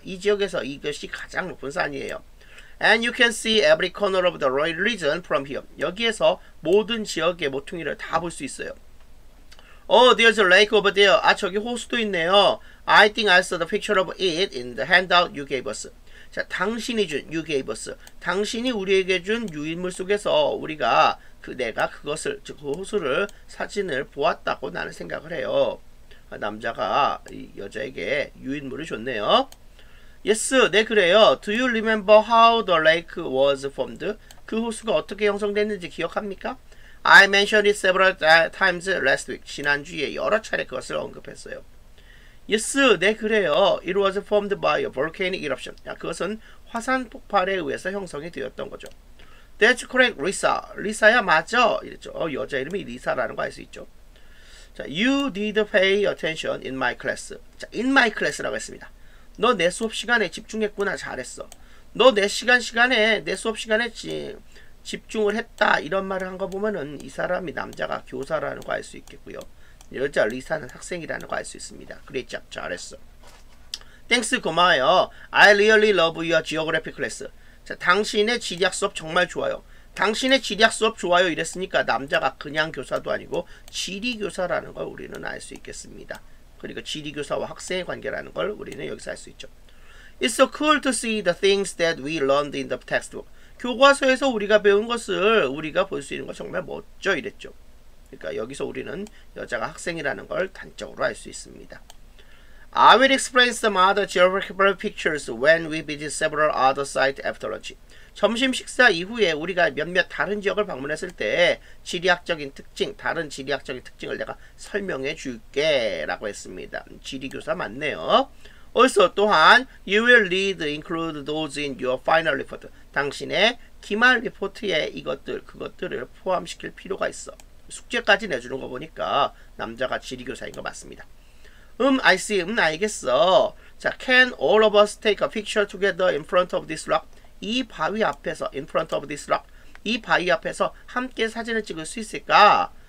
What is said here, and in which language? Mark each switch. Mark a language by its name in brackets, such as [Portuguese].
[Korean] 이 지역에서 이것이 가장 높은 산이에요. [English] And you can see every corner of the Royal Region from here. [Korean] 여기에서 모든 지역의 모퉁이를 다 볼 수 있어요. [English] Oh, there's a lake over there. [Korean] 아, 저기 호수도 있네요. [English] I think I saw the picture of it in the handout you gave us. [Korean] 자, 당신이 준, [English] you gave us. [Korean] 당신이 우리에게 준 유인물 속에서 우리가 내가 그것을, 즉 그 호수를 사진을 보았다고 나는 생각을 해요. 남자가 여자에게 유인물을 줬네요. [English] Yes, [Korean] 네, 그래요. [English] Do you remember how the lake was formed? [Korean] 그 호수가 어떻게 형성됐는지 기억합니까? [English] I mentioned it several times last week. [Korean] 지난주에 여러 차례 그것을 언급했어요. [English] Yes, [Korean] 네, 그래요. [English] It was formed by a volcanic eruption. [Korean] 야, 그것은 화산 폭발에 의해서 형성이 되었던 거죠. [English] That's correct, Lisa. [Korean] Lisa야, 맞죠? 이랬죠. 어, 여자 이름이 Lisa라는 거 알 수 있죠. [English] 자, you did pay attention in my class. [Korean] 자, [English] in my class [Korean] 라고 했습니다. 너 내 수업 시간에 집중했구나. 잘했어. 너 내 시간 시간에, 내 수업 시간에 집중을 했다. 이런 말을 한 거 보면은 이 사람이 남자가 교사라는 거 알 수 있겠고요. 여자 리사는 학생이라는 거 알 수 있습니다. 그래, 잘했어. [English] Thanks, [Korean] 고마워요. [English] I really love your geography class. [Korean] 자, 당신의 지리학 수업 정말 좋아요. 당신의 지리학 수업 좋아요 이랬으니까 남자가 그냥 교사도 아니고 지리교사라는 걸 우리는 알 수 있겠습니다. 그리고 지리교사와 학생의 관계라는 걸 우리는 여기서 알 수 있죠. [English] It's so cool to see the things that we learned in the textbook. [Korean] 교과서에서 우리가 배운 것을 우리가 볼 수 있는 거 정말 멋져 이랬죠. 그러니까 여기서 우리는 여자가 학생이라는 걸 단적으로 알 수 있습니다. [English] I will explain some other geographical pictures when we visit several other sites after lunch. [Korean] 점심 식사 이후에 우리가 몇몇 다른 지역을 방문했을 때 지리학적인 특징, 다른 지리학적인 특징을 내가 설명해 줄게 라고 했습니다. 지리교사 맞네요. [English] Also, [Korean] 또한 [English] you will need to include those in your final report. [Korean] 당신의 기말 리포트에 이것들, 그것들을 포함시킬 필요가 있어. 숙제까지 내주는 거 보니까 남자가 지리교사인 거 맞습니다. [English] I see. [Korean] 알겠어. [English] 자, can all of us take a picture together in front of this rock? [Korean] 이 바위 앞에서, [English] in front of this rock, [Korean] 이 바위 앞에서 함께 사진을 찍을 수 있을까?